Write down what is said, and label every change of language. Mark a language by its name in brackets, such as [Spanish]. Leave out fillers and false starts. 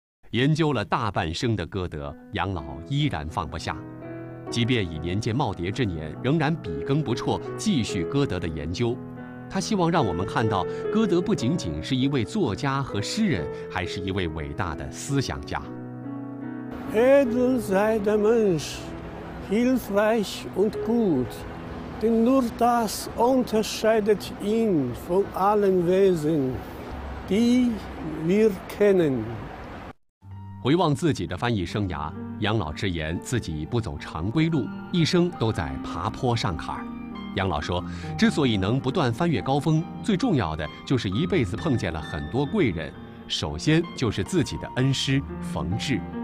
[Chinese] 研究了大半生的歌德，杨老依然放不下，即便已年届耄耋之年，仍然笔耕不辍，继续歌德的研究。他希望让我们看到，歌德不仅仅是一位作家和诗人，还是一位伟大的思想家。 [German] Edel sei der Mensch, hilfreich und gut, denn nur das unterscheidet ihn von allen Wesen, die wir kennen. [Chinese] 回望自己的翻译生涯，杨老直言自己不走常规路，一生都在爬坡上坎儿。杨老说，之所以能不断翻越高峰，最重要的就是一辈子碰见了很多贵人，首先就是自己的恩师冯至。